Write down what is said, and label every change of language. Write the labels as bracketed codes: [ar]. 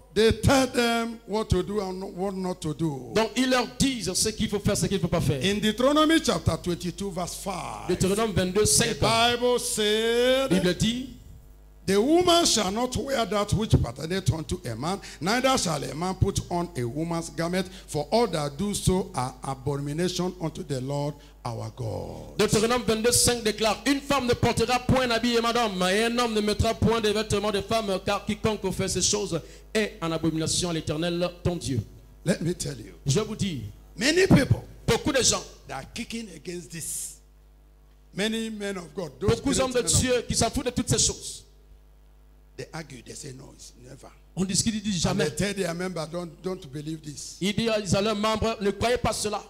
[en] They tell them what to do and what not to do. [fr] Donc ils leur disent ce qu'il faut faire, ce qu'il ne faut pas faire. [en] In Deuteronomy chapter 22 verse 5. [fr] Deutéronome 22, 5. [en] The Bible said. [fr] Bible dit. [en] The woman shall not wear that which pertaineth unto a man, neither shall a man put on a woman's garment, for all that do so are abomination unto the Lord our God. [fr] Deutéronome 22, 5 déclare, une femme ne portera point d'habillement d'homme, et un homme ne mettra point de vêtements de femme, car quiconque fait ces choses est en abomination à l'Éternel ton Dieu. [en] Let me tell you. [fr] Je vous dis. [en] Many people. [fr] Beaucoup de gens. [en] They are kicking against this. Many men of God. [fr] Those beaucoup hommes de Dieu qui s'en foutent de toutes ces choses. [en] They argue. They say no, it's never. [fr] On discute, ils disent jamais. [en] And they tell their member, don't believe this. [fr] Ils disent à leurs membres, ne croyez pas cela.